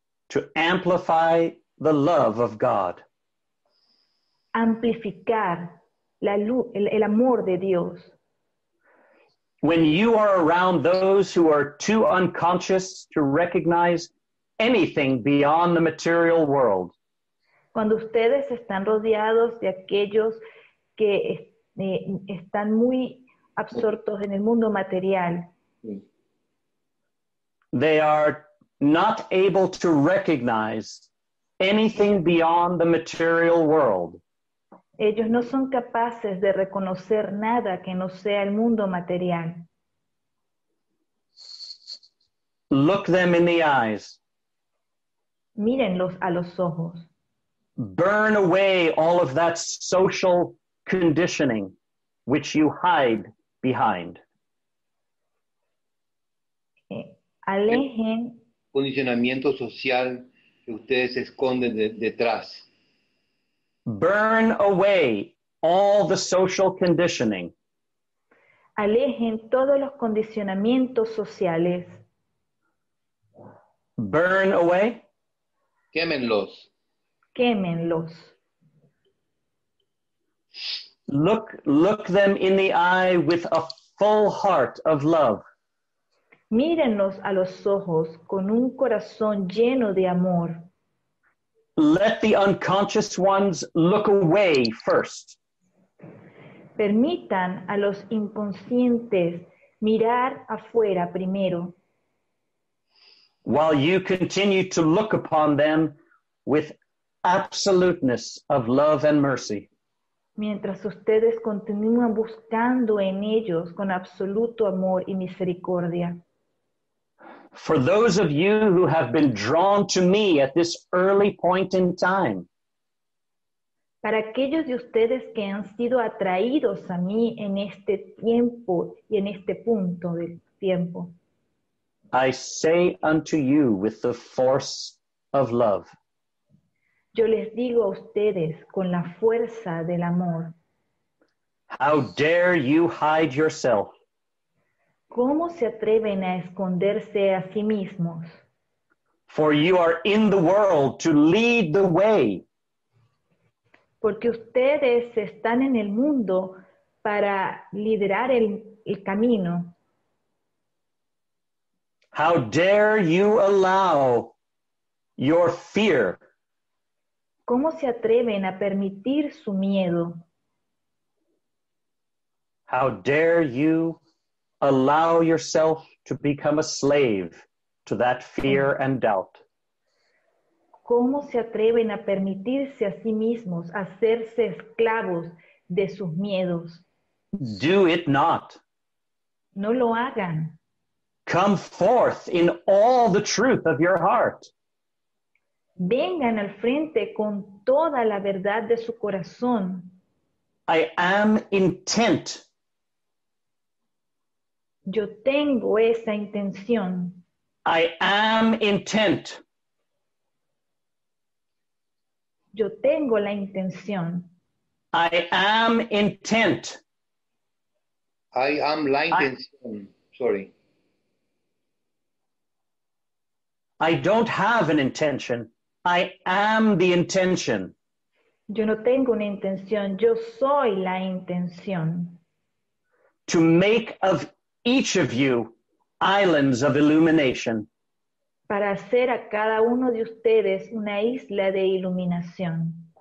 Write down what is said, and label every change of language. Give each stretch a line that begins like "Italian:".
English: To amplify the love of God.
Spanish: Amplificar la luz, el amor de Dios.
English: When you are around those who are too unconscious to recognize anything beyond the material world.
Spanish: Cuando ustedes están rodeados de aquellos que están muy absortos en el mundo material.
English: They are not able to recognize anything beyond the material world.
Spanish: Ellos no son capaces de reconocer nada que no sea el mundo material.
English: Look them in the eyes.
Spanish: Mírenlos a los ojos.
English: Burn away all of that social conditioning which you hide behind.
Spanish: Alejen el condicionamiento social que ustedes esconden detrás.
English: Burn away all the social conditioning.
Spanish: Alejen todos los condicionamientos sociales.
English: Burn away.
Spanish: Quémenlos. Quémenlos.
English: Look them in the eye with a full heart of love.
Spanish: Mírenlos a los ojos con un corazón lleno de amor.
English: Let the unconscious ones look away first.
Spanish: Permitan a los inconscientes mirar afuera primero.
English: While you continue to look upon them with absoluteness of love and mercy.
Spanish: Mientras ustedes continúan buscando en ellos con absoluto amor y misericordia.
English: For those of you who have been drawn to me at this early point in time.
Spanish: Para aquellos de ustedes que han sido atraídos a mí en este tiempo y en este punto del tiempo.
English: I say unto you with the force of love.
Spanish: Yo les digo a ustedes con la fuerza del amor.
English: How dare you hide yourself?
Spanish: ¿Cómo se atreven a esconderse a sí mismos?
English: For you are in the world to lead the way.
Spanish: Porque ustedes están en el mundo para liderar el camino.
English: How dare you allow your fear?
Spanish: ¿Cómo se atreven a permitir su miedo?
English: How dare you allow yourself to become a slave to that fear and doubt?
Spanish: ¿Cómo se atreven a permitirse a sí mismos hacerse esclavos de sus miedos?
English: Do it not.
Spanish: No lo hagan.
English: Come forth in all the truth of your heart.
Spanish: Vengan al frente con toda la verdad de su corazón.
English: I am intent.
Spanish: Yo tengo esa intención.
English: I am intent.
Spanish: Yo tengo la intención.
English: I am intent. I am
Spanish: la intención.
English: I don't have an intention. I am the intention.
Spanish: Yo no tengo una intención. Yo soy la intención.
English: To make of each of you islands of illumination.
Spanish: Para hacer a cada uno de ustedes una isla de iluminación.